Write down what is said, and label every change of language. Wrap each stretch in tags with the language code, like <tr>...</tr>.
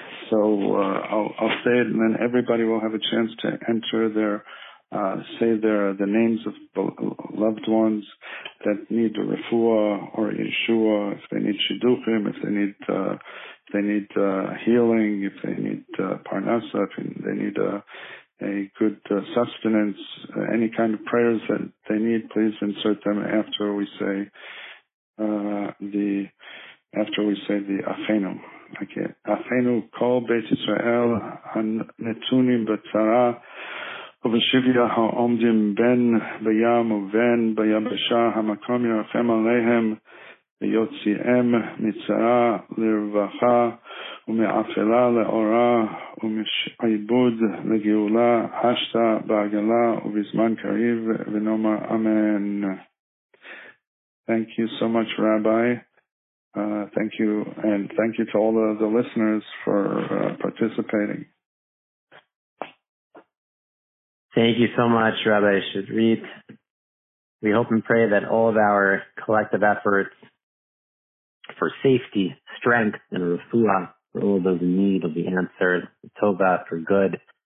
<en>So I'll say it, and then everybody will have a chance to enter their say the names of loved ones that need a refuah or yeshua, if they need shiduchim, if they need healing, if they need parnasa, if they need a good sustenance, any kind of prayers that they need, please insert them after we say the Achenu. Okay.</en> <he>Achenu kol Beit Yisrael hanetunim b'tzara ובשביה העומדים בין בים ובין ביבשה, המקום ירחם עליהם ויוציאם מצרה לרווחה ומאפלה לאורה ומשעבוד לגאולה, השתה בעגלה ובזמן קריב ונאמר אמן.</he> <en>Thank you so much, Rabbi. Thank you, and thank you to all of the listeners for participating. Thank you so much, Rabbi Shadrit. We hope and pray that all of our collective efforts for safety, strength, and refuah for all of those in need will be answered. Tova for good.</en>